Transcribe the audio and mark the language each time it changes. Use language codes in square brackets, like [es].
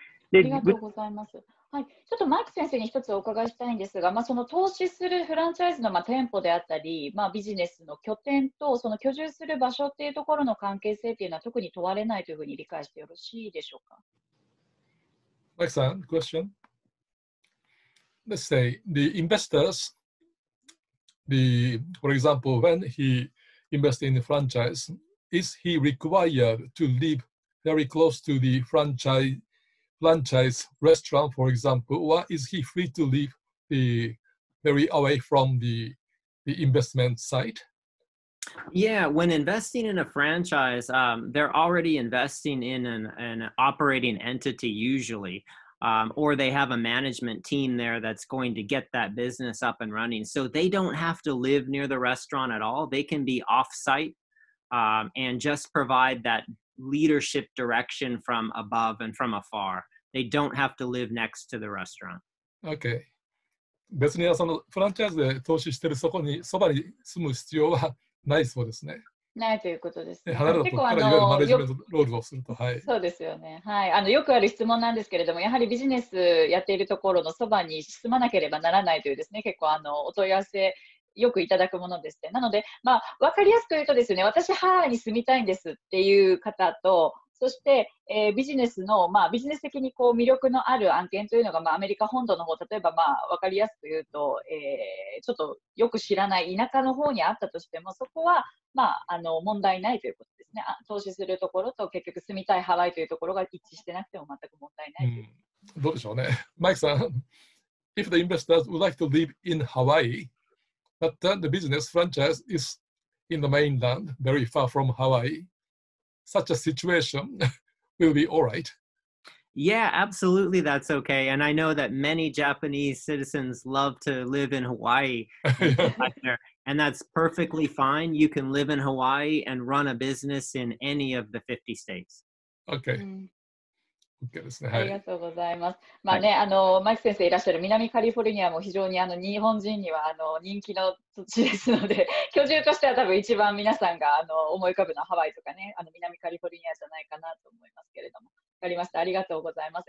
[ja] で、ありがとうございます。はい、ちょっとマーク先生に一つお伺いしたいんですが、まあ、その投資するフランチャイズの、まあ、店舗であったり、まあ、ビジネスの拠点とその居住する場所っていうところの関係性っていうのは特に問われないというふうに理解してよろしいでしょうか。 [en] マイクさん、question. Let's say the investors, for example, when he invests in the franchise, is he required to live very close to the franchise restaurant, for example, or is he free to leave the very away from the investment site? Yeah, when investing in a franchise, they're already investing in an operating entity usually, or they have a management team there that's going to get that business up and running. So they don't have to live near the restaurant at all. They can be off-site and just provide that leadership direction from above and from afar. They don't have to live next to the restaurant. Okay. [ja] 別にそのフランチャイズで投資してるそこにそばに住む必要はないそうですね。ないということですね。離れたところからいわゆるマネジメントロールをすると、はい。そうですよね。はい。よくある質問なんですけれども、やはりビジネスやっているところのそばに住まなければならないというですね、結構お問い合わせ。よくいただくものですね。なので、まあ、分かりやすく言うとですね、私ハワイに住みたいんですっていう方と、そして、ビジネスの、まあ、ビジネス的にこう魅力のある案件というのが、まあ、アメリカ本土の方、例えば、まあ、分かりやすく言うと、ちょっとよく知らない田舎の方にあったとしても、そこは、まあ、問題ないということですね。投資するところと結局住みたいハワイというところが一致してなくても全く問題ない、うん、どうでしょうね。マイクさん、 [en] if the investors would like to live in Hawaii, but then the business franchise is in the mainland, very far from Hawaii, such a situation will be all right. Yeah, absolutely, that's okay. And I know that many Japanese citizens love to live in Hawaii. And that's perfectly fine. You can live in Hawaii and run a business in any of the 50 states. Okay. [ja] ありがとうございます。まあね、マイク先生いらっしゃる南カリフォルニアも非常に日本人には人気の土地ですので、居住としては多分一番皆さんが思い浮かぶのはハワイとかね、南カリフォルニアじゃないかなと思いますけれども。わかりました。ありがとうございます。